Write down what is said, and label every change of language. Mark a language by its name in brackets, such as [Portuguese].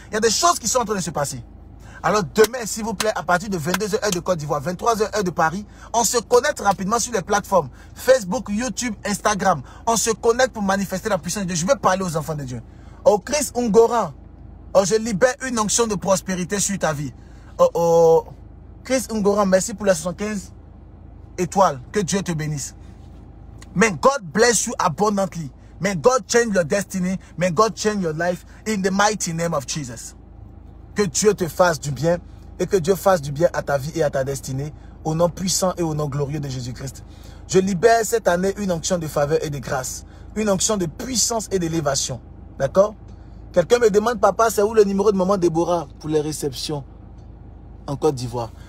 [French] Il y a des choses qui sont en train de se passer. Alors demain, s'il vous plaît, à partir de 22h heure de Côte d'Ivoire, 23h heure de Paris, on se connecte rapidement sur les plateformes Facebook, YouTube, Instagram. On se connecte pour manifester la puissance de Dieu. Je vais parler aux enfants de Dieu. Au Christ Ungoran, oh, je libère une onction de prospérité sur ta vie. Oh, oh. Christ Ungoran, merci pour la 75 étoiles. Que Dieu te bénisse. [English] May God bless you abundantly. May God change your destiny. May God change your life in the mighty name of Jesus. [French] Que Dieu te fasse du bien et que Dieu fasse du bien à ta vie et à ta destinée au nom puissant et au nom glorieux de Jésus-Christ. Je libère cette année une onction de faveur et de grâce, une onction de puissance et d'élévation. D'accord? Quelqu'un me demande, papa, c'est où le numéro de maman Déborah pour les réceptions en Côte d'Ivoire?